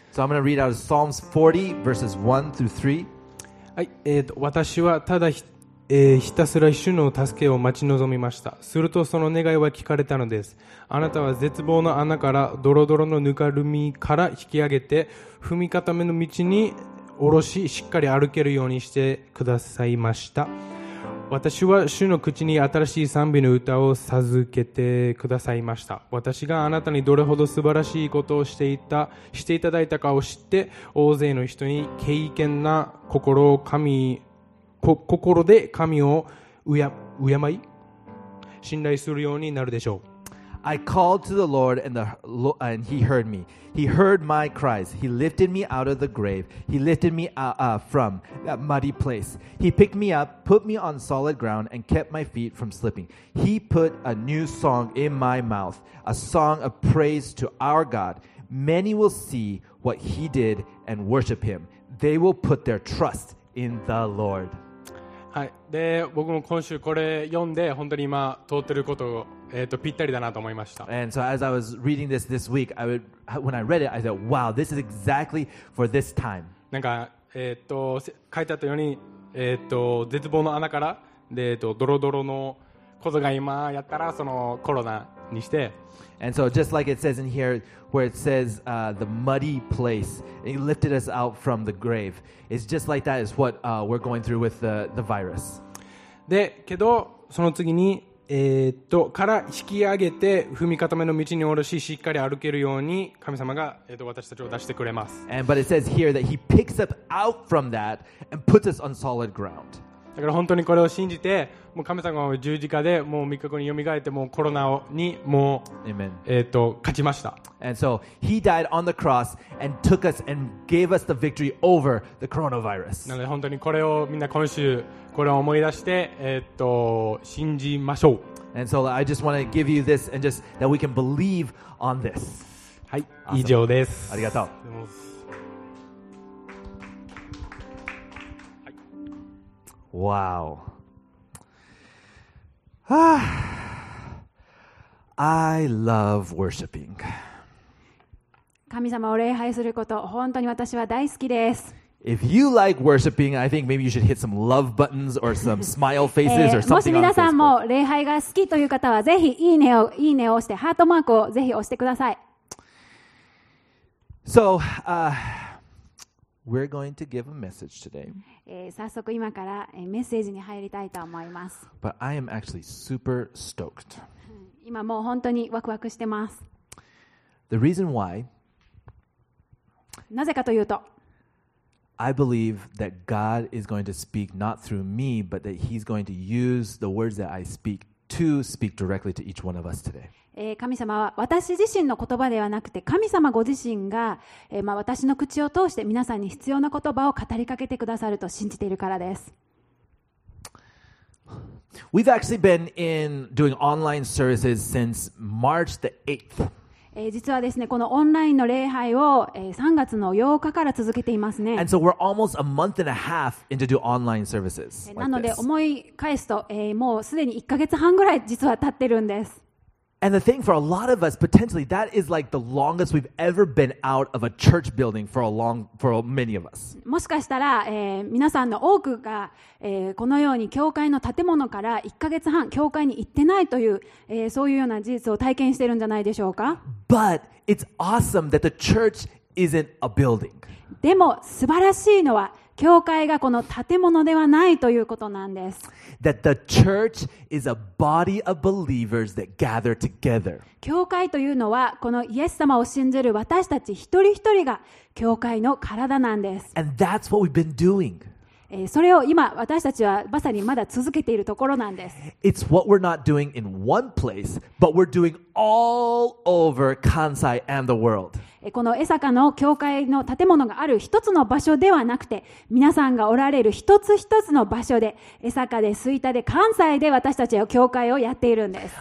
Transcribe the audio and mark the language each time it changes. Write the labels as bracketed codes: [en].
[en] So I'm gonna read out Psalms 40 verses 1 through 3. [ja] はい、私はただ ひたすら主の助けを待ち望みました。するとその願いは聞かれたのです。あなたは絶望の穴からドロドロのぬかるみから引き上げて踏み固めの道に下ろし、しっかり歩けるようにしてくださいました。私は主の口に新しい賛美の歌を授けてくださいました。私があなたにどれほど素晴らしいことをしていただいたかを知って、大勢の人に敬虔な心で神を敬い信頼するようになるでしょう。 [en] I called to the Lord and he heard me. He heard my cries. He lifted me out of the grave. He lifted me from that muddy place. He picked me up, put me on solid ground, and kept my feet from slipping. He put a new song in my mouth, a song of praise to our God. Many will see what he did and worship him. They will put their trust in the Lord. [ja] はい、で僕も今週これ読んで本当に今通ってることを、ぴったりだなと思いました。 [en] And so as I was reading this this week, I would, when I read it, I thought, wow, this is exactly for this time. [ja] なんか、書いてあったように、絶望の穴からで、ドロドロのことが今やったらそのコロナにして。 [en] And so just like it says in here, where it says, the muddy place, he lifted us out from the grave. It's just like that is what, we're going through with the virus. [ja] で、けど、その次に、から引き上げて踏み固めの道に下ろし、しっかり歩けるように神様が、私たちを出してくれます。 [en] And, but it says here that he picks up out from that and puts us on solid ground. [ja] だから本当にこれを信じて、もう神様は十字架でもう3日後によみがえって、もうコロナにもう、 [en] Amen. [ja] 勝ちました。 [en] And so he died on the cross and took us and gave us the victory over the coronavirus. [ja] なので本当にこれをみんな今週これを思い出して、信じましょう。 [en] And so I just want to give you this and just that we can believe on this. [ja] はい、awesome. 以上です。ありがとう。 [en] Wow. I love worshiping. [ja] 神様を礼拝すること、本当に私は大好きです。 [en] If you like worshiping, I think maybe you should hit some love buttons or some smile faces or something. [ja] もし皆さんも礼拝が好きという方は、ぜひいいねを押してハートマークをぜひ押してください。 [en] So, we're going to give a message today. [ja] 早速今から、メッセージに入りたいと思います。 [en] But I am actually super stoked. [ja] 今もう本当にワクワクしてます。 [en] The reason why, [ja] なぜかというと、 [en] I believe that God is going to speak not through me, but that He's going to use the words that I speak to speak directly to each one of us today. [ja] 神様は私自身の言葉ではなくて、神様ご自身が、まあ私の口を通して皆さんに必要な言葉を語りかけてくださると信じているからです。 [en] We've actually been in doing online services since March the 8th. [ja] 実はですね、このオンラインの礼拝を3月の8日から続けていますね。 [en] And so we're almost a month and a half into doing online services. [ja] なので思い返すと、もうすでに1ヶ月半ぐらい実は経ってるんです。 [en] And the thing for a lot of us, potentially, that is like the longest we've ever been out of a church building for many of us. [ja] もしかしたら、皆さんの多くが、このように教会の建物から1ヶ月半教会に行ってないという、そういうような事実を体験してるんじゃないでしょうか。 [en] But it's awesome that the church isn't a building. [ja] でも素晴らしいのは教会がこの建物ではないということなんです。 [en] That the church is a body of believers that gather together. [ja] 教会というのはこのイエス様を信じる私たち一人一人が教会の体なんです。 [en] And that's what we've been doing. [ja] それを今私たちはまさにまだ続けているところなんです。 [en] It's what we're not doing in one place, but we're doing all over Kansai and the world. [ja] この江坂の教会の建物がある一つの場所ではなくて、皆さんがおられる一つ一つの場所で、江坂で、吹田で、関西で私たちは教会をやっているんです。